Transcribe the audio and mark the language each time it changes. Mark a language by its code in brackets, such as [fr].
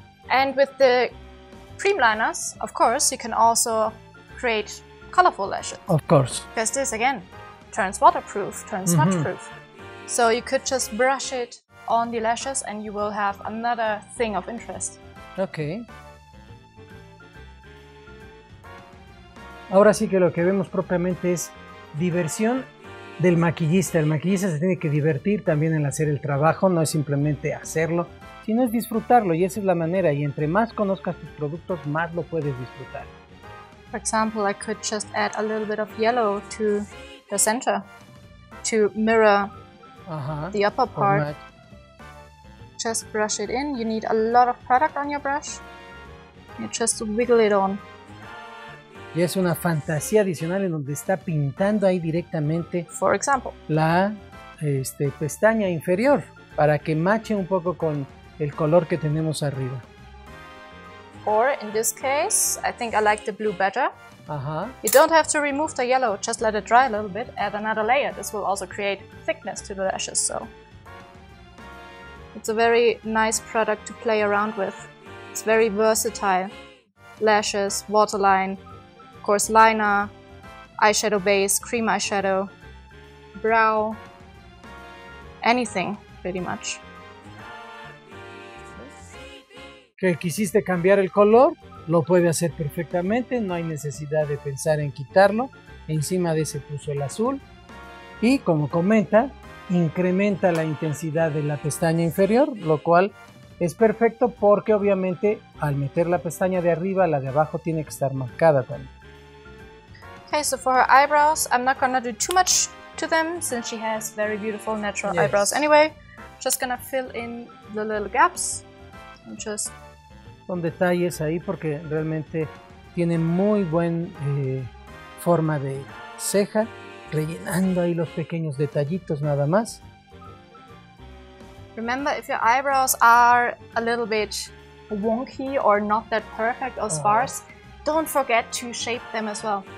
[en] And with the cream liners, of course, you can also create colorful lashes. Of course. Because this, again, turns waterproof, turns smudge-proof. So you could just brush it on the lashes and you will have another thing of interest. Okay. [es] Ahora sí que lo que vemos propiamente es diversión del maquillista. El maquillista se tiene que divertir también en hacer el trabajo, no es simplemente hacerlo, sino es disfrutarlo, y esa es la manera. Y entre más conozcas tus productos, más lo puedes disfrutar. [en] For example, I could just add a little bit of yellow to the center to mirror the upper part. Just brush it in. You need a lot of product on your brush. You just wiggle it on. [es] Y es una fantasía adicional en donde está pintando ahí directamente, [en] for example, [es] la pestaña inferior para que matche un poco con el color que tenemos arriba. [en] Or in this case, I think I like the blue better. Uh-huh. You don't have to remove the yellow, just let it dry a little bit, add another layer. This will also create thickness to the lashes, so it's a very nice product to play around with. It's very versatile. Lashes, waterline, of course liner, eyeshadow base, cream eyeshadow, brow, anything pretty much. [es] Que quisiste cambiar el color, lo puede hacer perfectamente, no hay necesidad de pensar en quitarlo. Encima de ese puso el azul y, como comenta, incrementa la intensidad de la pestaña inferior, lo cual es perfecto porque obviamente al meter la pestaña de arriba, la de abajo tiene que estar marcada también. [en] Okay, so for her eyebrows, I'm not gonna do too much to them since she has very beautiful natural yes. eyebrows anyway. Just gonna fill in the little gaps. [es] Son detalles ahí porque realmente tiene muy buena forma de ceja, rellenando ahí los pequeños detallitos nada más. [en] Remember, if your eyebrows are a little bit wonky or not that perfect or sparse, don't forget to shape them as well.